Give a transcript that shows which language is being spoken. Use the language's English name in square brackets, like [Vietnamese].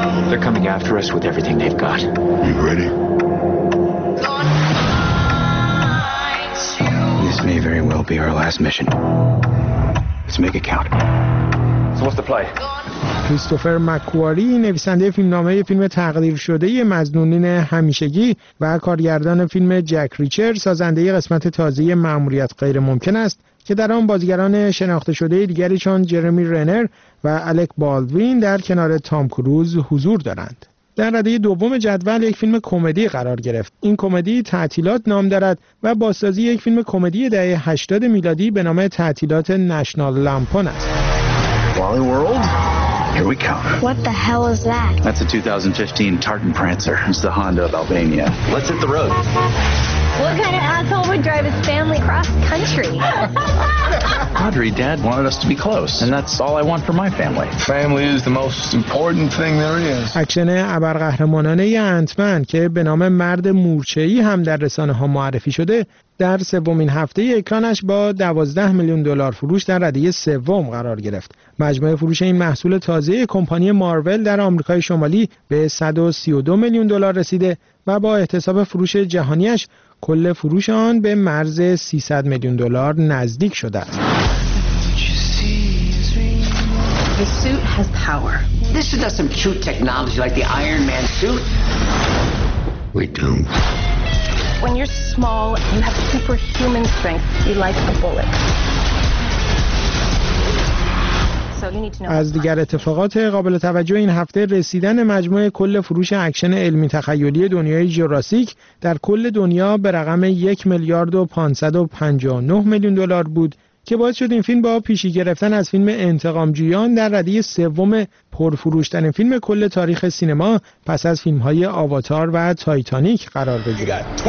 [English] They're coming after us with everything they've got. You ready? This may very well be our last mission. Let's make it count. So what's the play? [Persian] کریستوفر مکواری، نویسنده فیلمنامه فیلم تقدیر شده مظنونین همیشگی و کارگردان فیلم جک ریچر، سازنده قسمت تازه مأموریت غیر ممکن است که در آن بازیگران شناخته شده دیگری چون جرمی رنر و الک بالدوین در کنار تام کروز حضور دارند. در رده دوم جدول یک فیلم کمدی قرار گرفت. این کمدی تعطیلات نام دارد و بازسازی یک فیلم کمدی دهه 80 میلادی به نام تعطیلات نشنال لامپون است. [English] Wally World. Here we come. What the hell is that? That's a 2015 Tartan Prancer. It's the Honda of Albania. Let's hit the road. What kind of asshole would drive his family cross country? Audrey, Dad wanted us to be close, and that's all I want for my family. Family is the most important thing there is. [Persian] اکشن ابرقهرمانانه انت‌من که به نام مرد مورچه‌ای هم در رسانه‌ها معرفی شده، در سومین هفته اکرانش با 12 میلیون دلار فروش در رده سوم قرار گرفت. مجموع فروش این محصول تازه کمپانی مارول در آمریکای شمالی به 132 میلیون دلار رسیده و با احتساب فروش جهانیش کل فروش آن به مرز 300 میلیون دلار نزدیک شده است. [English] The suit has power. This is some cute technology like the Iron Man suit. We doomed. When you're small, you have superhuman strength. You like a bullet. [Persian] از دیگر اتفاقات قابل توجه این هفته رسیدن مجموع کل فروش اکشن علمی تخیلی دنیای جوراسیک در کل دنیا به رقم 1,559,000,000 بود که باعث شد این فیلم با پیشی گرفتن از فیلم انتقامجویان در رده سوم پرفروشترین فیلم کل تاریخ سینما پس از فیلم‌های آواتار و تایتانیک قرار بگیرد.